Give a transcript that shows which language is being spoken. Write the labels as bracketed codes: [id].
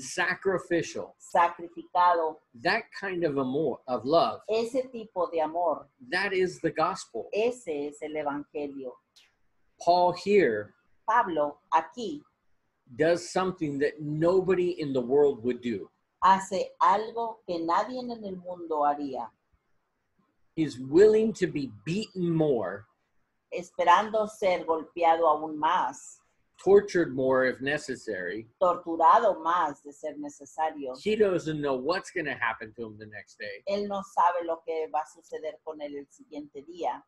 [en] Sacrificial. [es] Sacrificado. [en] That kind of amor, of love. [es] Ese tipo de amor. [en] That is the gospel. [es] Ese es el evangelio. [en] Paul here. [es] Pablo, aquí. [en] Does something that nobody in the world would do. [es] Hace algo que nadie en el mundo haría. [en] He's willing to be beaten more. [es] Esperando ser golpeado aún más. [en] Tortured more if necessary. [es] Torturado más de ser necesario. [en] He doesn't know what's going to happen to him the next day. [es] Él no sabe lo que va a suceder con él el siguiente día.